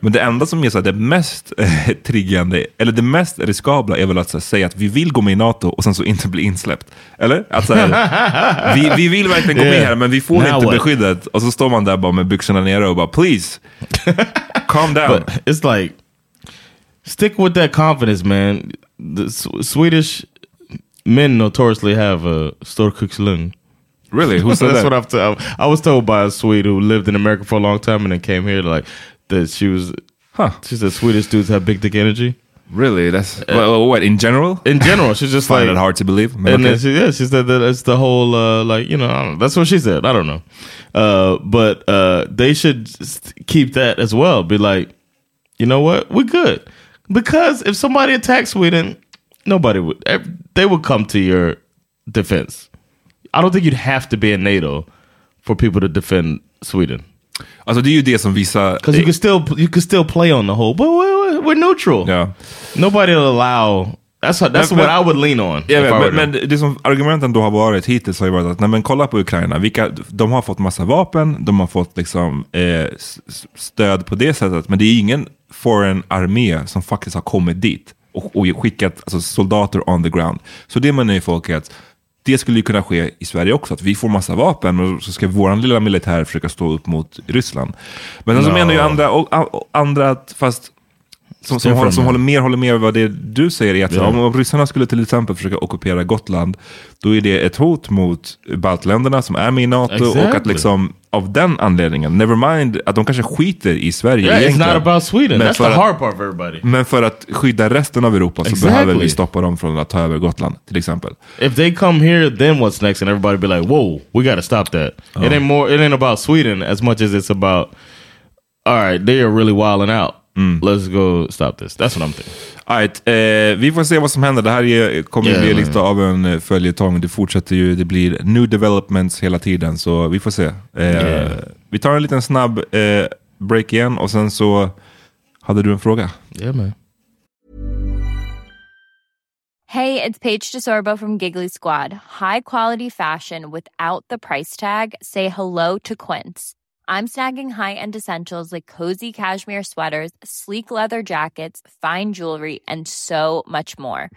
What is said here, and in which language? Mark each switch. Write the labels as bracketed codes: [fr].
[sv] Men det enda som är så här, det mest triggande, eller det mest riskabla är väl att så här, säga att vi vill gå med i NATO och sen så inte bli insläppt. Eller? Alltså, vi vill verkligen gå med här, men vi får now inte what? Beskyddet. Och så står man där bara med byxorna nere och bara, [en] please, calm down. But it's like, stick with that confidence, man. The Swedish men notoriously have a storkukslung. Really? Who said that's that? What I was told by a Swede who lived in America for a long time and then came here, like, that she was, she said Swedish dudes have big dick energy. Really? That's what, in general? In general, she's just find like, it hard to believe. And okay. Then she said that it's the whole, like, you know, I don't know, that's what she said. I don't know. But they should keep that as well. Be like, you know what? We're good. Because if somebody attacks Sweden, nobody would, they would come to your defense. I don't think you'd have to be in NATO for people to defend Sweden. [sv] Alltså det är ju det som visar, [en] because you could still play on the whole, but we're neutral. Yeah. Nobody will allow. That's what I would lean on. [sv] Yeah, men det som argumenten då har varit hittills har varit att nej, men kolla på Ukraina. De har fått massa vapen, de har fått liksom stöd på det sättet, men det är ingen foreign armé som faktiskt har kommit dit och skickat alltså soldater [en] on the ground. [sv] Så det man är i folket. Det skulle ju kunna ske i Sverige också, att vi får massa vapen och så ska vår lilla militär försöka stå upp mot Ryssland. Men sen så menar ju andra att fast som håller med vad det du säger är att om ryssarna skulle till exempel försöka ockupera Gotland, då är det ett hot mot baltländerna som är med i NATO. [en] Exactly. [sv] Och att liksom av den anledningen, [en] never mind [sv] att de kanske skiter i Sverige. [en] Yeah, it's not about Sweden, that's the hard part of everybody. [sv] Men för att skydda resten av Europa så behöver vi stoppa dem från att ta över Gotland till exempel. [en] If they come here, then what's next? And everybody be like, whoa, we gotta stop that. It ain't about Sweden as much as it's about, all right, they are really wilding out. Mm. Let's go stop this. That's what I'm thinking. All right, [sv] vi får se vad som händer. Det här kommer bli lite av en följetong. Det fortsätter ju, det blir new developments hela tiden. Så vi får se. Vi tar en liten snabb break igen. Och sen så hade du en fråga. [en] Yeah, man. Hey, it's Paige DeSorbo from Giggly Squad. High quality fashion without the price tag. Say hello to Quince. I'm snagging high-end essentials like cozy cashmere sweaters, sleek leather jackets, fine jewelry, and so much more.